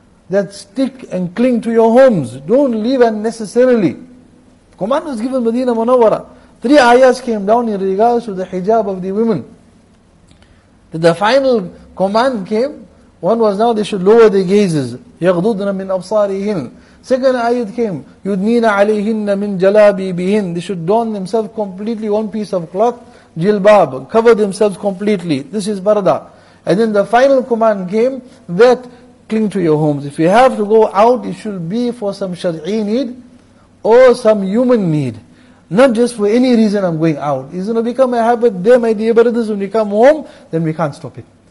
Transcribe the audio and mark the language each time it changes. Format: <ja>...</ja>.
<en>That stick and cling to your homes. Don't leave unnecessarily. Command was given Madina Munawwara. Three ayahs came down in regards to the hijab of the women. The final command came, One was now they should lower their gazes.</en> <ar>يَغْضُضْنَ مِنْ أَبْصَارِهِنْ.</ar> <en>Second ayat came,</en> <ar>يُدْنِينَ عَلَيْهِنَّ مِنْ جَلَابِي بِهِنْ.</ar> <en>They should don themselves completely one piece of cloth, jilbab, cover themselves completely. This is barda. And then the final command came, that cling to your homes. If you have to go out, it should be for some shar'i need or some human need. Not just for any reason I'm going out. It's going to become a habit there, my dear brothers, when you come home, then we can't stop it.</en>